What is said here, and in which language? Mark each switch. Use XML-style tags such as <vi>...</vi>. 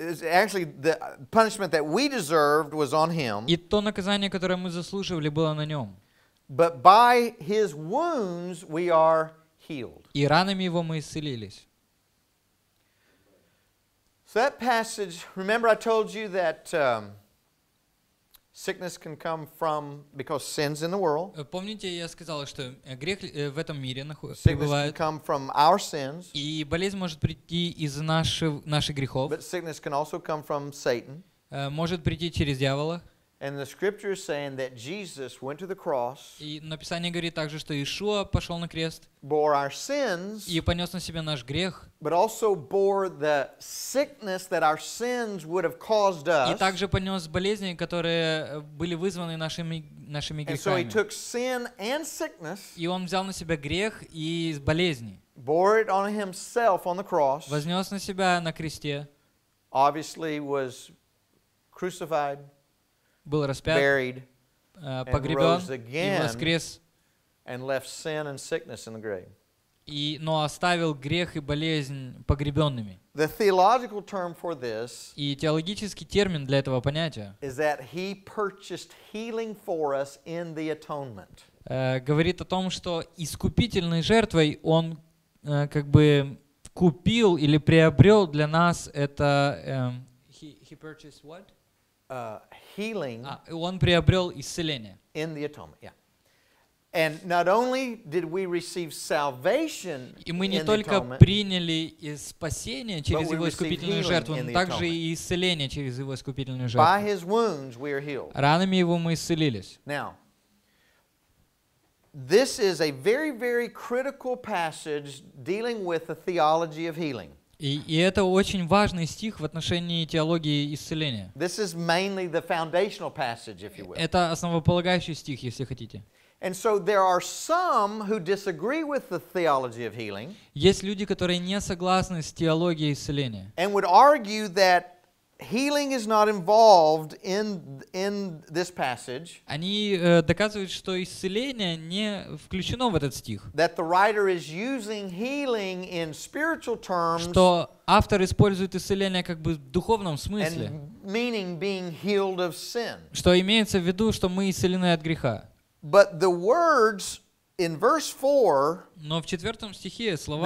<en>Actually, the punishment that we deserved was on him.</en> <ru>И то наказание, которое мы заслуживали, было на нем.</ru> <en>But by his wounds we are healed.</en> <ru>И ранами его мы исцелились.</ru> <en>So that passage, remember I told you that sickness can come from because sin's in the world.</en> <ru>Помните, я сказала, что грех в этом мире пребывает.</ru> <en>Sickness can come from our sins.</en> <ru>И болезнь может прийти из наших грехов.</ru> <en>But sickness can also come from Satan.</en> <ru>Может прийти через дьявола.</ru> <en>And the scripture is saying that Jesus went to the cross.</en> <ru>И написание говорит также, что Иешуа пошел на крест.</ru> <en>Bore our sins.</en> <ru>И понес на себе наш грех.</ru> <en>But also bore the sickness that our sins would have caused us.</en> <ru>И также понес болезни, которые были вызваны нашими грехами.</ru> <en>And so he took sin and sickness.</en> <ru>И он взял на себя грех и болезни.</ru> <en>Bore it on himself on the cross.</en> <ru>Вознес на себя на кресте.</ru> <en>Obviously was crucified.</en> <ru>Был распят,</ru> <en>buried,</en> <ru>погребен,</ru> <en>and rose again,</en> <ru>и воскрес,</ru> <en>and left sin and sickness in the grave.</en> <ru>И, но оставил грех и болезнь погребенными.</ru> <en>The theological term for this,</en> <ru>и теологический термин для этого понятия,</ru> <en>is that he purchased healing for us in the atonement.</en> <ru>Говорит о том, что искупительной жертвой он как бы купил или приобрел для нас это.</ru> <en>He purchased what? Healing.</en> <ru>Он приобрел исцеление.</ru> <en>In the atonement, yeah. And not only did we receive salvation.</en> <ru>И мы не только приняли спасение через его искупительную жертву, но также и исцеление через его искупительную жертву.</ru> <en>By his wounds we are healed.</en> <ru>Ранами его мы исцелились.</ru> <en>Now, this is a very, very critical passage dealing with the theology of healing.</en> <ru>И это очень важный стих в отношении теологии исцеления.</ru> <en>Passage,</en> <ru>это основополагающий стих, если хотите.</ru> <en>And so there are some who disagree with the theology of healing.</en> <ru>Есть люди, которые не согласны с теологией исцеления.</ru> <en>And would argue that healing is not involved in this passage.</en> <ru>Они доказывают, что исцеление не включено в этот стих.</ru> <en>That the writer is using healing in spiritual terms.</en> <ru>Что автор использует исцеление как бы в духовном смысле.</ru> <en>And meaning being healed of sin.</en> <ru>Что имеется в виду, что мы исцелены от греха.</ru> <en>But the words in verse 4.</en> <ru>Но в четвертом стихе слова,</ru>